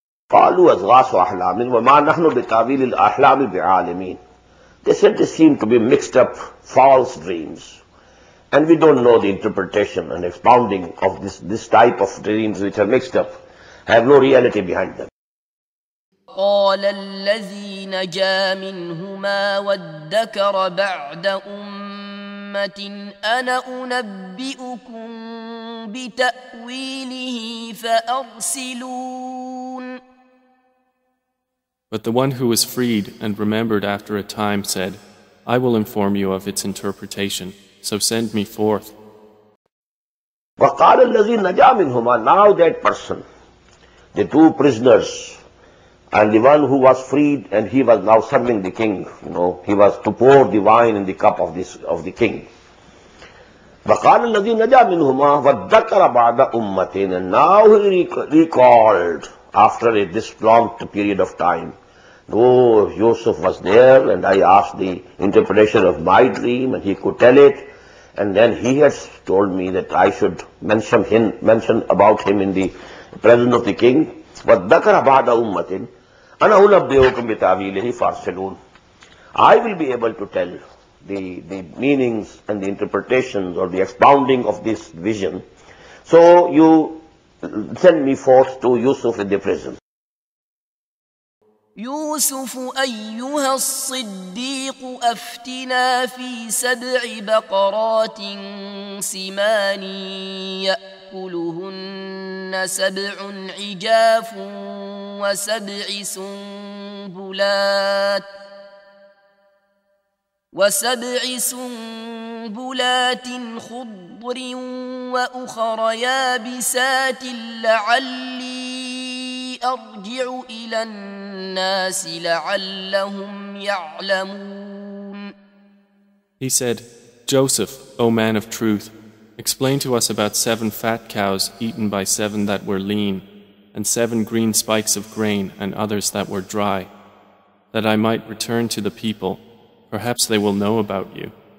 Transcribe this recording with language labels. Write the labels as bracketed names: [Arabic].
[English] They said they seem to be mixed up false dreams, and we don't know the interpretation and expounding of this type of dreams which are mixed up, have no reality behind them. [Arabic] قال الذي نجا منهما وادكر بعد أمة أنا أنبئكم بتأويله فأرسلون [English] But the one who was freed and remembered after a time said, I will inform you of its interpretation, so send me forth. [Arabic] وَقَالَ الَّذِي نَجَى مِنْهُمَا [English] Now that person, the two prisoners, and the one who was freed and he was now serving the king, you know, he was to pour the wine in the cup of the king. [Arabic] وَقَالَ الَّذِي نَجَى مِنْهُمَا وَدَّكَرَ بَعْدَ أُمَّتِينَ [English] And now he recalled, after this long period of time, though Yusuf was there and I asked the interpretation of my dream and he could tell it, and then he had told me that I should mention about him in the presence of the king. [Arabic] وَدَّكَرَ بَعْدَ أُمَّتِينَ أَنَا أُنَبِّئُكُمْ بِتَعْوِيلِهِ فَأَرْسِلُونَ [English] I will be able to tell the meanings and the interpretations or the expounding of this vision. So you send me forth to Yusuf in the prison. [Arabic] يوسف أيها الصديق أفتنا في سبع بقرات سمان يأكلهن سبع عجاف وسبع سنبلات وسبع سنبلات خضر وأخر يابسات لعلي أرجع إلى الناس لعلهم يعلمون [English] He said, Joseph, O man of truth, explain to us about seven fat cows eaten by seven that were lean, and seven green spikes of grain and others that were dry, that I might return to the people. Perhaps they will know about you.